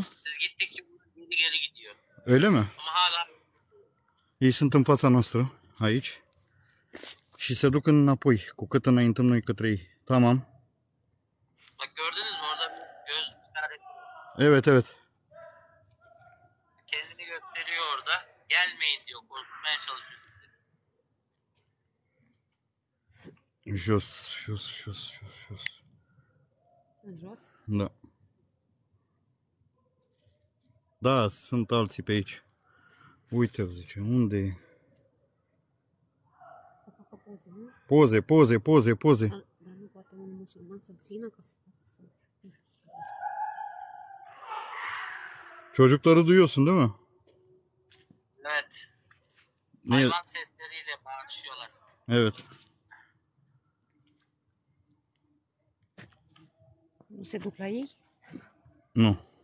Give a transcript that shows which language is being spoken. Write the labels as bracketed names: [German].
[Turkish] Siz gittikçe geri geri gidiyor. Öyle mi? Ama hala. [Romanian] Ei sunt în fața noastră, aici. Și se duc înapoi, cu cât înaintăm noi către ei. [Turkish] Tamam. Bak, gördünüz mü orada göz tari. Evet, evet. Kendini gösteriyor orada. Gelmeyin diyor, korkutmaya çalışıyor sizi. [Romanian] Jos, jos, jos, jos, jos. Jos? Da. Da, sunt alții pe aici. Uite, zice, unde e? Să facă poze, nu? Poze, poze, poze, poze. Dar nu poate un musulman să-l țină ca să facă să... [Turkish] Çocukları duyuyorsun, değil mi? Evet. Ne? Hayvan sesleriyle bağırışıyorlar. Evet. [Romanian] Nu se duc la ei? Nu.